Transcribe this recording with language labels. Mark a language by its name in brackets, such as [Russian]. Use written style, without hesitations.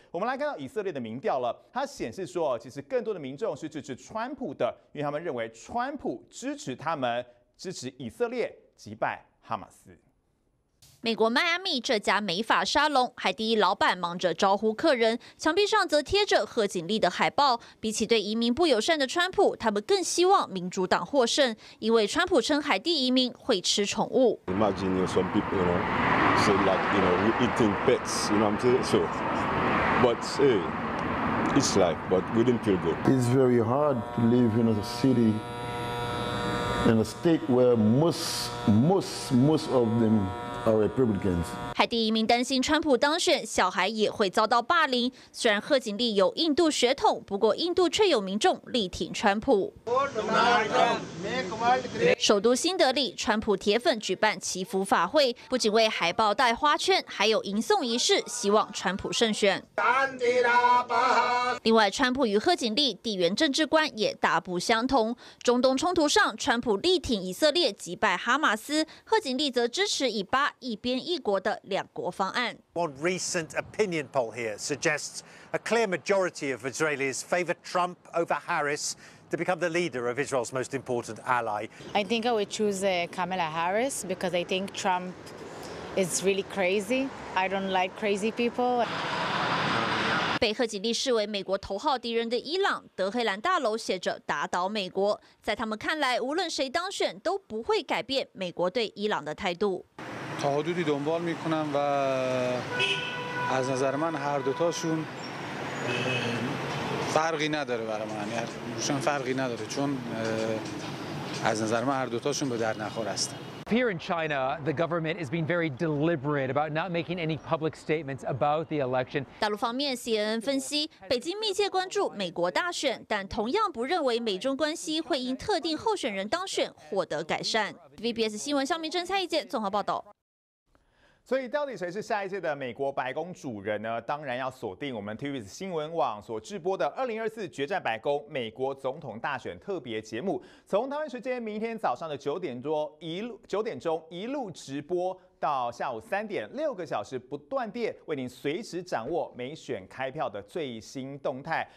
[Chinese] 我们来看到以色列的民调了，它显示说，其实更多的民众是支持川普的，因为他们认为川普支持他们，支持以色列击败哈马斯。美国迈阿密这家美发沙龙，海蒂老板忙着招呼客人，墙壁上则贴着贺锦丽的海报。比起对移民不友善的川普，他们更希望民主党获胜，因为川普称海蒂移民会吃宠物。 [English] Imagine some people, you know, say like, you know, eating pets, you know what I'm saying? So, but hey, it's life, but we didn't feel good. It's very hard to live in a city, in a state where most of them are Republicans. [Chinese] 还第一名担心川普当选，小孩也会遭到霸凌。虽然贺锦丽有印度血统，不过印度却有民众力挺川普。首都新德里，川普铁粉举办祈福法会，不仅为海报戴花圈，还有迎送仪式，希望川普胜选。另外，川普与贺锦丽地缘政治观也大不相同。中东冲突上，川普力挺以色列击败哈马斯，贺锦丽则支持以巴一边一国的两国方案。 [English] One recent opinion poll here suggests a clear majority of Israelis favor Trump over Harris to become the leader of Israel's most important ally. I think I would choose Kamala Harris because I think Trump is really crazy. I don't like crazy people. [Chinese] 被贺锦丽视为美国头号敌人的伊朗，德黑兰大楼写着“打倒美国”。在他们看来，无论谁当选都不会改变美国对伊朗的态度。 [Persian] تا حدودی دنبال میکنم و از نظر من هر دوتاشون فرقی نداره برای من روشن فرقی نداره چون از نظر من هر دوتاشون به در نخور هستن [English] Here in China, the government is being very deliberate about not making any public statements about the election. [Chinese] 大陆方面 ，CNN 分析，北京密切关注美国大选，但同样不认为美中关系会因特定候选人当选获得改善。 BBS 新闻肖明珍、蔡一介综合报道。所以，到底谁是下一届的美国白宫主人呢？当然要锁定我们 TVBS 新闻网所直播的2024决战白宫美国总统大选特别节目，从台湾时间明天早上的九点钟一路直播到下午3点，六个小时不断电，为您随时掌握美选开票的最新动态。